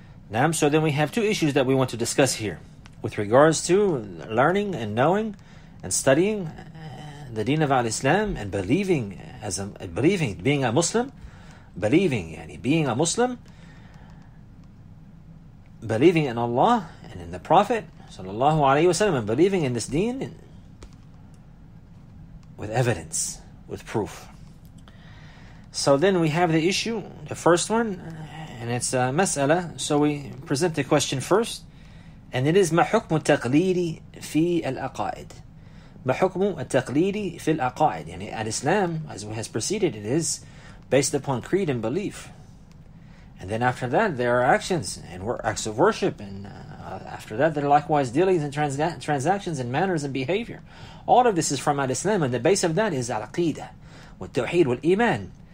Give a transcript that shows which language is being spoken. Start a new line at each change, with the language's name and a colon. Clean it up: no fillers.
English: Now, so then we have two issues that we want to discuss here with regards to learning and knowing and studying the deen of al-Islam and believing, as a believing, being a Muslim, believing, yani being a Muslim, believing in Allah and in the Prophet sallallahu alayhi wasallam, and believing in this deen with evidence, with proof. So then we have the issue, the first one, and it's a mas'ala. So we present the question first, and it is
Arabic: ما حكم التقليدي في الأقائد. ما حكم التقليدي في الأقائد. يعني
English: Al-Islam, as we has preceded, it is based upon creed and belief, and then after that there are actions and acts of worship, and after that there are likewise dealings and transactions and manners and behavior. All of this is from Al-Islam, and the base of that is Al-Aqidah
Arabic: والتوحيد والإيمان.